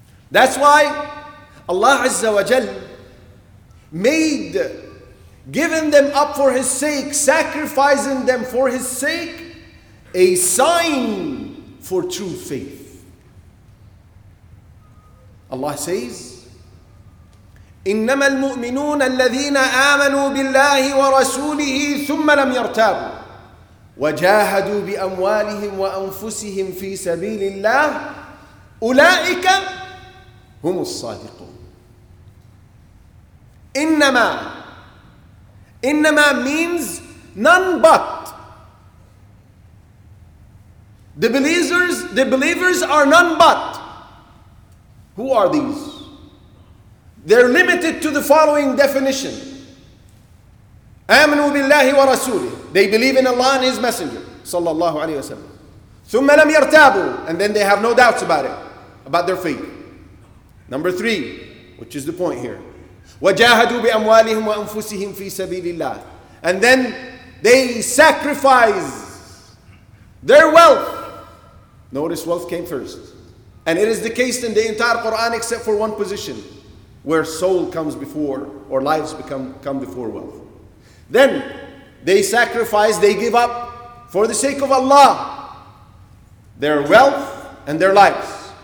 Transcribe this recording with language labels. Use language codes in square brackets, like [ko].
[en] That's why Allah Azza wa Jal made giving them up for His sake, sacrificing them for His sake, a sign for true faith. Allah says, [ar] إنما المؤمنون الذين آمنوا بالله ورسوله ثم لم يرتابوا وجاهدوا بأموالهم وأنفسهم في سبيل الله أولئك هم الصادقون. [en] إنما means none but. The believers are none but. Who are these? They're limited to the following definition. [ar] آمنوا بالله ورسوله. [en] They believe in Allah and His Messenger, sallallahu alayhi wa sallam. [ar] ثم لم يرتابوا. [en] And then they have no doubts about it, about their faith. Number three, which is the point here. [ar] وجاهدوا بأموالهم وأنفسهم في سبيل الله. [en] And then they sacrifice their wealth. Notice wealth came first. And it is the case in the entire Quran except for one position, where soul comes before, or lives come before wealth. Then they sacrifice, they give up for the sake of Allah their wealth and their lives.